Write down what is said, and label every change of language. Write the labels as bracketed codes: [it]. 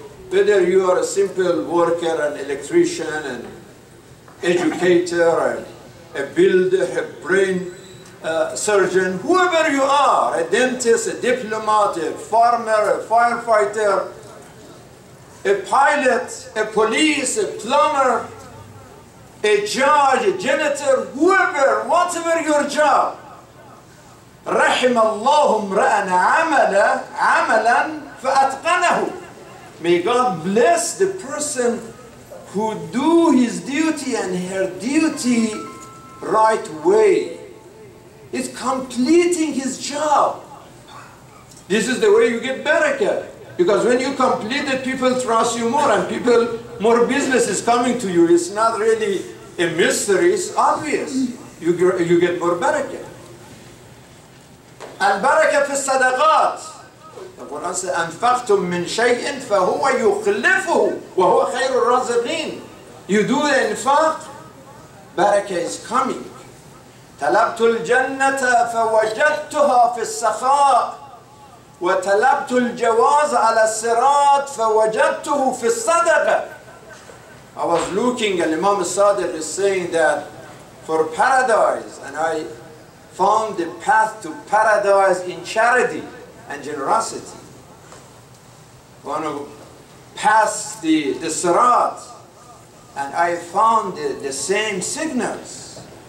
[en] Whether you are a simple worker, an electrician, an educator, a builder, a brain surgeon, whoever you are, a dentist, a diplomat, a farmer, a firefighter, a pilot, a police, a plumber, a judge, a janitor, whoever, whatever your job. [ar] رحم الله امرأً عملاً فأتقنه. [en] May God bless the person who do his duty and her duty right way. He's completing his job. This is the way you get barakah. Because when you complete it, people trust you more and people, more business is coming to you. It's not really a mystery, it's obvious. You get more barakah. And [ar] barakah fi sadaqat. [en] The Quran says, [ar] أَنْفَقْتُمْ مِنْ شَيْءٍ فَهُوَ يُخْلِفُهُ وَهُوَ خَيْرُ الرَّازِقِينَ. [en] You do the infaq, barakah is coming. [ar] تَلَبْتُ الْجَنَّةَ فَوَجَدْتُهَا فِي السَّخَاءِ. وتلبت الجواز على الصراط فوجدته في الصدقة. [en] I was looking, and Imam Sadiq is saying that for paradise, and I found the path to paradise in charity and generosity. When I passed the Sirat, and I found the same signals.